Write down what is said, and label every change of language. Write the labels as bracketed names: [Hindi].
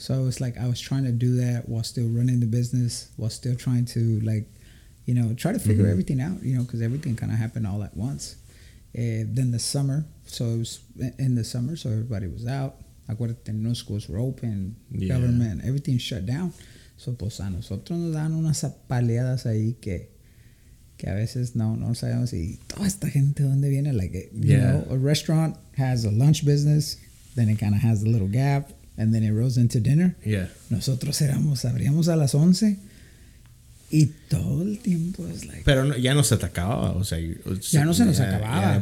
[English] So it was like I was trying to do that while still running the business, while still trying to, like, you know, try to figure everything out, you know, because everything kind of happened all at once. Then the summer, so it was in the summer, so everybody was out. [Spanish] Acuérdate, [English] no schools were open, government, everything shut down. [Spanish] So, pues, a nosotros nos dan unas apaleadas ahí que a veces no sabemos. Y toda esta gente, ¿dónde viene? [English] Like, you know, a restaurant has a lunch business, then it kind of has a little gap, and then it rolls into dinner. Yeah. [Spanish] Nosotros abríamos a las 11. Y todo el tiempo es like... Pero no, ya no se te acababa, o sea... Ya no se nos acababa.